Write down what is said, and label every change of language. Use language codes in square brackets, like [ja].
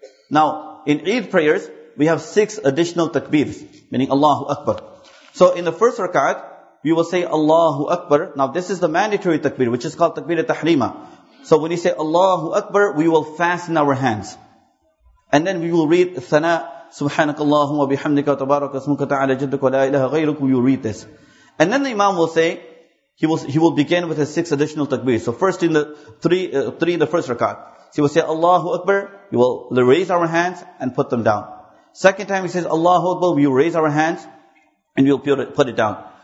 [en] Now, in Eid prayers, we have six additional takbirs, meaning Allahu Akbar. So, in the first rakat, we will say Allahu Akbar. Now, this is the mandatory takbir, which is called takbir al-tahreema. So, when you say Allahu Akbar, we will fasten our hands. And then we will read thana. [ar] سبحانك اللهم وبحمدك تبارك اسمك تعالى جدك ولا إله غيرك. [en] You read this, and then the imam will say, he will begin with his six additional takbir. So first in the three in the first rakat, so he will say Allahu Akbar. We will raise our hands and put them down. Second time he says Allahu Akbar, we will raise our hands and we will put it down.